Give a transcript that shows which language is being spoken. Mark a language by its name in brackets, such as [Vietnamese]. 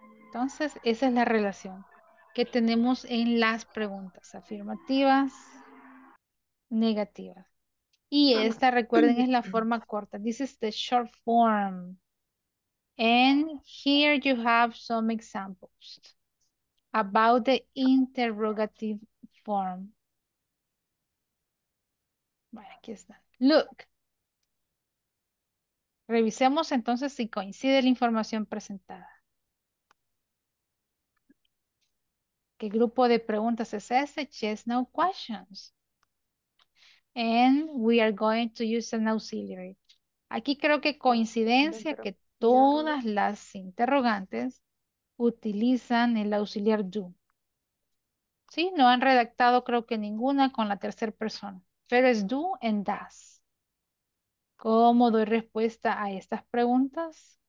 [Spanish] Entonces, esa es la relación que tenemos en las preguntas afirmativas, negativas. Y esta, recuerden, es la forma corta. [English] This is the short form. And here you have some examples about the interrogative form. [Spanish] Bueno, aquí está. [English] Look. [Spanish] Revisemos entonces si coincide la información presentada. ¿Qué grupo de preguntas es este? [English] Yes, no questions. And we are going to use an auxiliary. [Spanish] Aquí creo que coincidencia que todas las interrogantes utilizan el auxiliar do. Sí, no han redactado creo que ninguna con la tercera persona. Pero es do and does. ¿Cómo doy respuesta a estas preguntas?